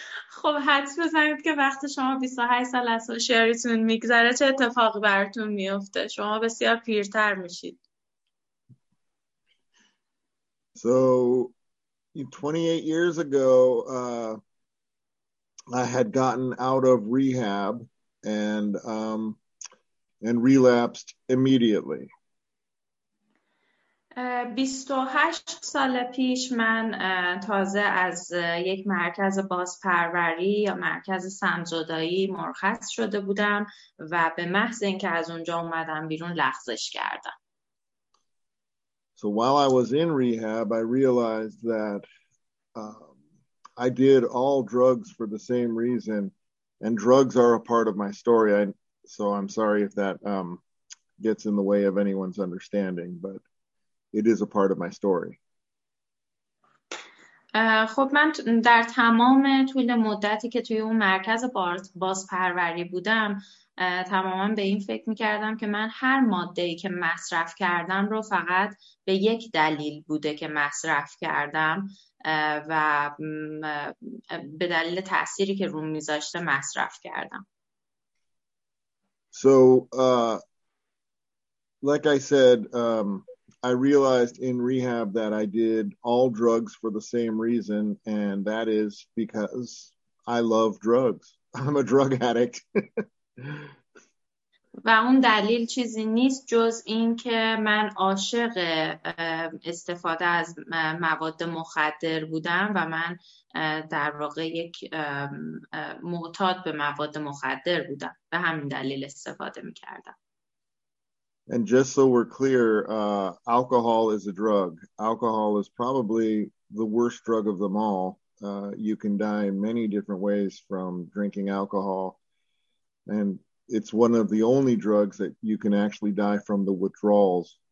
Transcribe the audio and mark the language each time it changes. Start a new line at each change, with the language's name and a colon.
Persian: خب حدس بزنید که وقتی شما 28 سال از هوشیاریتون میگذره چه اتفاقی براتون میفته؟ شما بسیار پیرتر میشید.
English: So 28 years ago I had gotten out of rehab and relapsed immediately.
Persian: 28 سال پیش من تازه از یک مرکز بازپروری یا مرکز سمزدایی مرخص شده بودم و به محض اینکه از اونجا اومدم بیرون لغزش کردم.
English: So while I was in rehab, I realized that I did all drugs for the same reason, and drugs are a part of my story. So I'm sorry if that gets in the way of anyone's understanding, but it is a part of my story.
Persian: خب من در تمام طول مدتی که توی اون مرکز بازپروری بودم تماما به این فکر میکردم که من هر ماده‌ای که مصرف کردم رو فقط به یک دلیل بوده که مصرف کردم و به دلیل تأثیری که روم میذاشته مصرف کردم.
English: So like I said, I realized in rehab that I did all drugs for the same reason, and that is because I love drugs. I'm a drug addict.
Persian: و اون دلیل چیزی نیست جز این که من عاشق استفاده از مواد مخدر بودم و من در واقع یک معتاد به مواد مخدر بودم، به همین دلیل استفاده می‌کردم.
English: And just so we're clear, alcohol is a drug. Alcohol is probably the worst drug of them all. You can die in many different ways from drinking alcohol. And it's one of the only drugs that you can actually die from the withdrawals.